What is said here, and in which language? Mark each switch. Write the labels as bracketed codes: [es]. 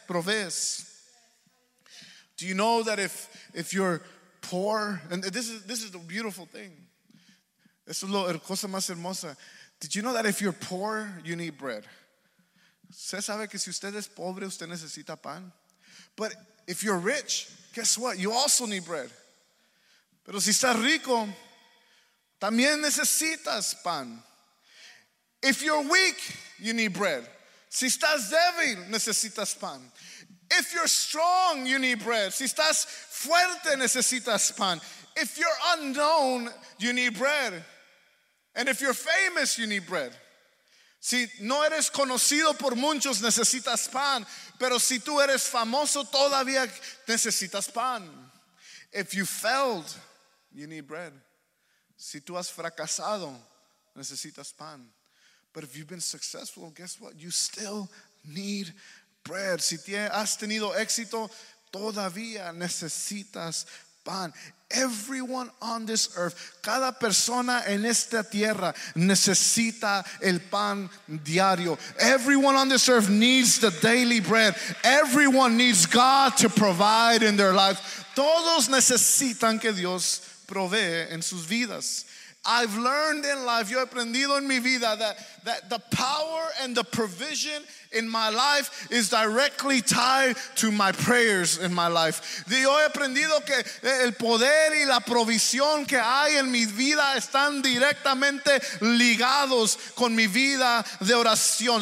[en] Do you know that if you're poor, and this is the beautiful thing. [es] Eso es lo cosa más hermosa. [en] Did you know that if you're poor, you need bread? [es] Se sabe que si usted es pobre, usted necesita pan. [en] But if you're rich, guess what? You also need bread. [es] Pero si estás rico, también necesitas pan. [en] If you're weak, you need bread. [es] Si estás débil, necesitas pan. [en] If you're strong, you need bread. [es] Si estás fuerte, necesitas pan. [en] If you're unknown, you need bread. And if you're famous, you need bread. [es] Si no eres conocido por muchos, necesitas pan. Pero si tú eres famoso, todavía necesitas pan. [en] If you failed, you need bread. [es] Si tú has fracasado, necesitas pan. [en] But if you've been successful, guess what? You still need bread. [es] Si has tenido éxito, todavía necesitas pan. [en] Everyone on this earth, [es] cada persona en esta tierra necesita el pan diario. [en] Everyone on this earth needs the daily bread. Everyone needs God to provide in their life. [es] Todos necesitan que Dios provee en sus vidas. [en] I've learned in life, [es] yo he aprendido en mi vida, [en] that the power and the provision in my life is directly tied to my prayers in my life. [es] Yo he aprendido que el poder y la provisión que hay en mi vida están directamente ligados con mi vida de oración.